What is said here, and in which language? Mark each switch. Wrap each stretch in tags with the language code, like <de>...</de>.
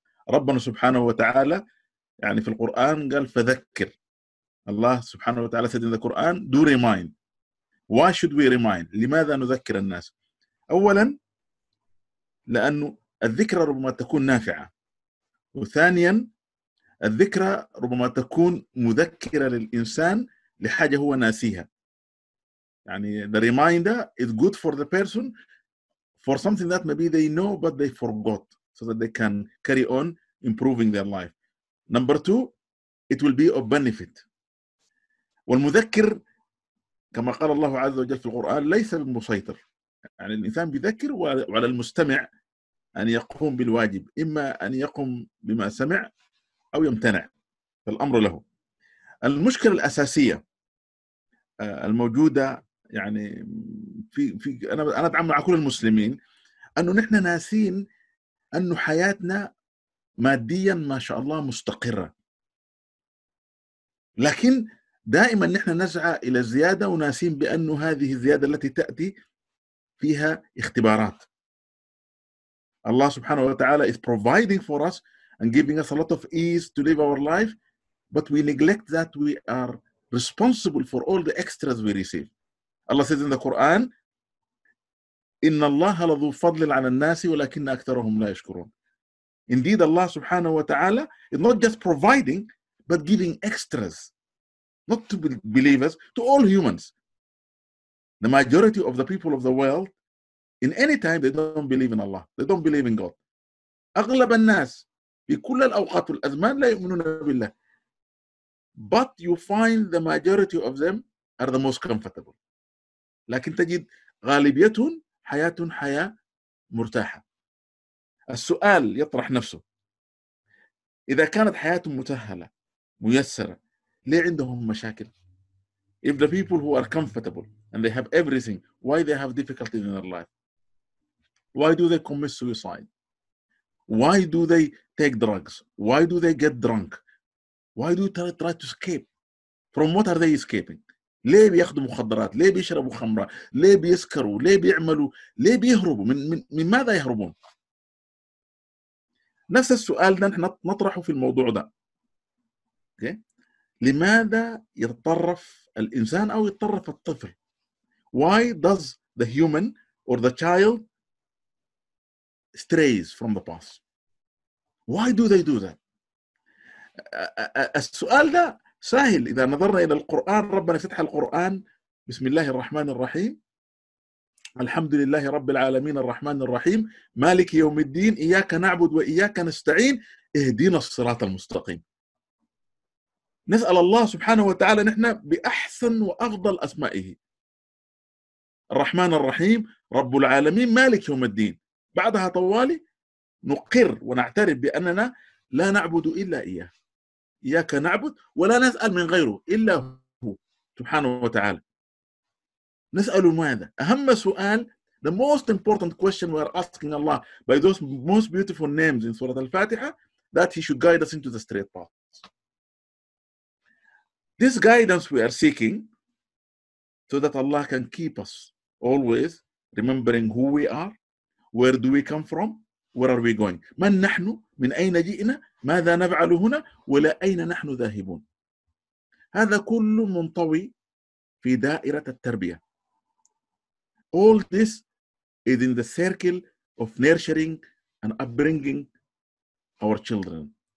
<ar>ربنا سبحانه وتعالى يعني في القرآن قال فذكر، الله سبحانه وتعالى</ar> <en>said in the Quran do remind. Why should we remind؟</en> <ar>لماذا نذكر الناس؟ أولا لأنه الذكرى ربما تكون نافعة، وثانيا الذكرى ربما تكون مذكرة للإنسان لحاجة هو ناسيها.</ar> <en>يعني the reminder is good for the person for something that maybe they know but they forgot so that they can carry on improving their life. Number two, it will be of benefit.</en> <ar>والمذكر كما قال الله عز وجل في القرآن ليس المسيطر، يعني الإنسان بيذكر وعلى المستمع أن يقوم بالواجب، إما أن يقوم بما سمع أو يمتنع، فالأمر له. المشكلة الأساسية الموجودة يعني في أنا أدعم مع كل المسلمين أنه نحن ناسين أنه حياتنا ماديا ما شاء الله مستقرة، لكن دائما نحن نسعى إلى الزيادة وناسين بأنه هذه الزيادة التي تأتي فيها اختبارات. الله سبحانه وتعالى</ar> <en>is providing for us and giving us a lot of ease to live our life, but we neglect that we are responsible for all the extras we receive. Allah says in the Quran,</en> <ar>إن الله لذو فضل على الناس ولكن أكثرهم لا يشكرون.</ar> <en>Indeed, Allah subhanahu wa ta'ala is not just providing, but giving extras, not to believers, to all humans. The majority of the people of the world, in any time, they don't believe in Allah. They don't believe in God.</en> <ar>أغلب الناس في كل الأوقات والأزمان لا يؤمنون بالله.</ar> <en>But you find the majority of them are the most comfortable.</en> <ar>لكن تجد غالبيتهم حياتهم حياة مرتاحة. السؤال يطرح نفسه، إذا كانت حياتهم متهلة ميسرة ليه عندهم مشاكل؟</ar> <en>If the people who are comfortable and they have everything, why they have difficulties in their life? Why do they commit suicide? Why do they take drugs? Why do they get drunk? Why do they try to escape? From what are they escaping?</en> <ar>ليه بياخدوا مخدرات؟ ليه بيشربوا خمرة؟ ليه بيسكروا؟ ليه بيعملوا؟ ليه بيهربوا؟ من ماذا يهربون؟ نفس السؤال ده نحن نطرحه في الموضوع ده. Okay. لماذا يتطرف الإنسان أو يتطرف الطفل؟</ar> <en>Why does the human or the child strays from the path? Why do they do that?</en> <ar>السؤال ده سهل إذا نظرنا إلى القرآن. ربنا فتح القرآن بسم الله الرحمن الرحيم، الحمد لله رب العالمين الرحمن الرحيم مالك يوم الدين إياك نعبد وإياك نستعين اهدينا الصراط المستقيم. نسأل الله سبحانه وتعالى نحن بأحسن وأفضل أسمائه الرحمن الرحيم رب العالمين مالك يوم الدين، بعدها طوالي نقر ونعترف بأننا لا نعبد إلا إياه، إياك نعبد ولا نسأل من غيره إلا هو سبحانه وتعالى. نسأل ماذا؟ أهم سؤال،</ar> <en>the most important question we are asking Allah by those most beautiful names in سورة الفاتحة that he should guide us into the straight path. This guidance we are seeking so that Allah can keep us always remembering who we are, where do we come from, where are we going.</en> <ar>من نحن؟ من أين جئنا؟ ماذا نفعل هنا؟ ولا أين نحن ذاهبون؟ هذا كل منطوي في دائرة التربية.</ar> <en>All this is in the circle of nurturing and upbringing our children.</en>